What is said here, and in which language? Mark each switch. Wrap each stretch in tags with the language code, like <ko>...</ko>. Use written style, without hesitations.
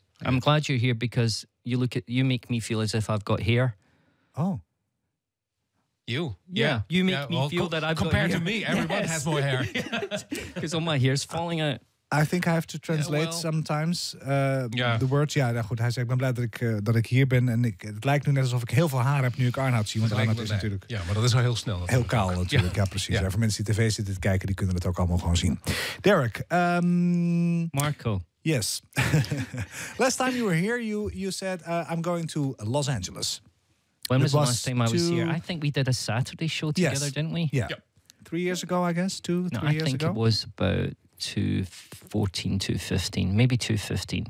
<en>I'm glad you're here because you make me feel as if I've got hair. Oh. You? Yeah. You make me feel that I've got hair. Compared to me, everyone has more hair. Because all my hair's falling out. I think I have to translate sometimes the words.</en> <nl>Ja, nou goed, hij zegt, ik ben blij dat ik hier ben. En het lijkt nu net alsof ik heel veel haar heb nu ik Arnoud zie. Want Arnoud is natuurlijk... Ja, maar dat is al heel snel. Heel kaal natuurlijk, ja precies. Ja. Voor mensen die tv zitten te kijken, die kunnen het ook allemaal gewoon zien.</nl> <en>Derek. Marco. Yes. Last time you were here, you said, I'm going to Los Angeles. When was the last time I was here? I think we did a Saturday show together, didn't we? Yeah. Yep. 3 years ago, I guess, three years ago? I think it was about... 2014, 2015, maybe 2015.</en>